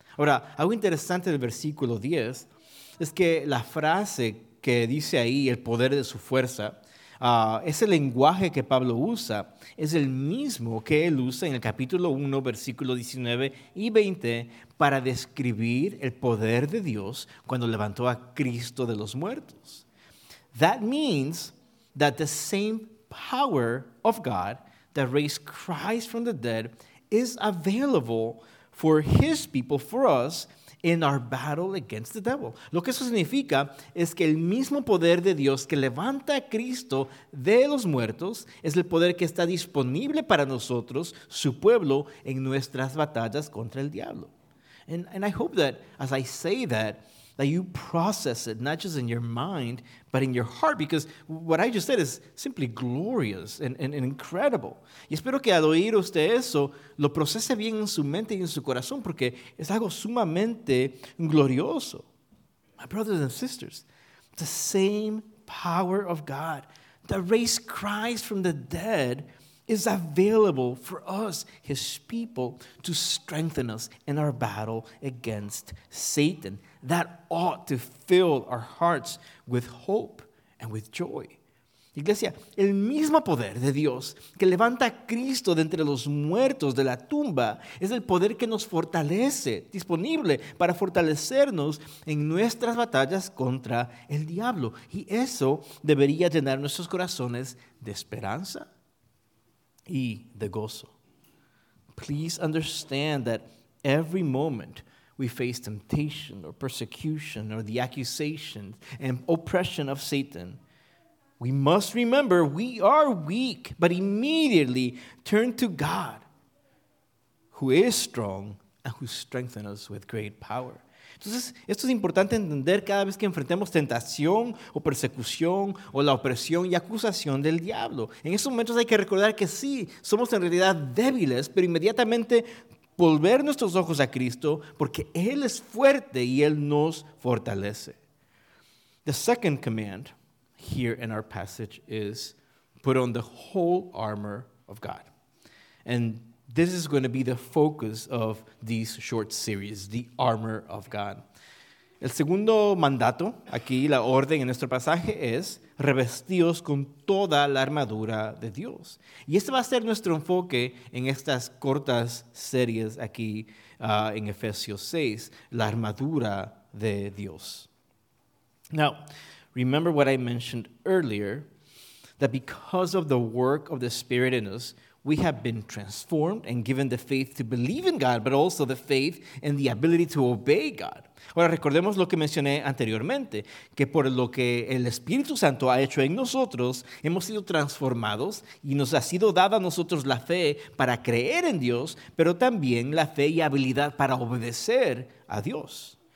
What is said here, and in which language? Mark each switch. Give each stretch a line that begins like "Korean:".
Spanish: Ahora, algo interesante del versículo 10 es que la frase que dice ahí, el poder de su fuerza, ese lenguaje que Pablo usa es el mismo que él usa en el capítulo 1, versículo 19 y 20 para describir el poder de Dios cuando levantó a Cristo de los muertos.
English: That means that the same power of God that raised Christ from the dead is available for his people, for us, in our battle against the devil.
Spanish: Lo que eso significa es que el mismo poder de Dios que levanta a Cristo de los muertos es el poder que está disponible para nosotros, su pueblo, en nuestras batallas contra el diablo.
English: And I hope that as I say that, that you process it not just in your mind, but in your heart, because what I just said is simply glorious and incredible.
Spanish: Y espero que al oír usted eso, lo procese bien en su mente y en su corazón, porque es algo sumamente glorioso.
English: My brothers and sisters, the same power of God that raised Christ from the dead is available for us, his people, to strengthen us in our battle against Satan. That ought to fill our hearts with hope and with joy.
Spanish: Iglesia, el mismo poder de Dios que levanta a Cristo de entre los muertos de la tumba es el poder que nos fortalece, disponible para fortalecernos en nuestras batallas contra el diablo. Y eso debería llenar nuestros corazones de esperanza y de gozo.
English: Please understand that every moment we face temptation or persecution or the accusation and oppression of Satan, we must remember we are weak, but immediately turn to God, who is strong and who strengthens us with great power.
Spanish: Entonces, esto es importante entender cada vez que enfrentemos tentación o persecución o la opresión y acusación del diablo. En esos momentos hay que recordar que sí, somos en realidad débiles, pero inmediatamente volver nuestros ojos a Cristo porque Él es fuerte y Él nos fortalece.
English: The second command here in our passage is put on the whole armor of God. And this is going to be the focus of these short series, the armor of God.
Spanish: El segundo mandato, aquí la orden en nuestro pasaje es revestíos con toda la armadura de Dios. Y este va a ser nuestro enfoque en estas cortas series aquí en Efesios 6, la armadura de Dios.
English: Now, remember what I mentioned earlier, that because of the work of the Spirit in us, we have been transformed and given the faith to believe in God, but also the faith and the ability to obey God.
Spanish: Ahora, recordemos lo que mencioné anteriormente, que por lo que el Espíritu Santo ha hecho en nosotros, hemos sido transformados y nos ha sido dada a nosotros la fe para creer en Dios, pero también la fe y habilidad para obedecer a Dios.